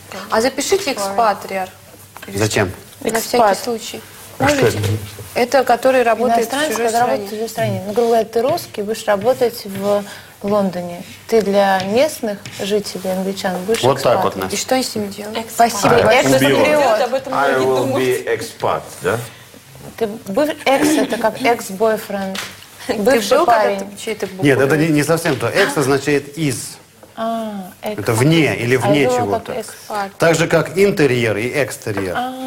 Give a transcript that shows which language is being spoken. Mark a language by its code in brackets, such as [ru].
[ru] А запишите expatriar. Зачем? На всякий случай. Это который работает в чужой стране. Иностранец, который работает в чужой стране. Ну, грубо говоря, ты русский, будешь работать в Лондоне. Ты для местных жителей, англичан, будешь вот экспатом. Вот так вот. И что они с ними делают? Экспат. Спасибо. Экспатриот. [en] I will be expat, [ru] да? Ты был экс, это как экс-бойфренд. Бывший парень. Нет, это не совсем то. Экс означает из. Это вне или вне чего-то. Так же, как интерьер и экстерьер.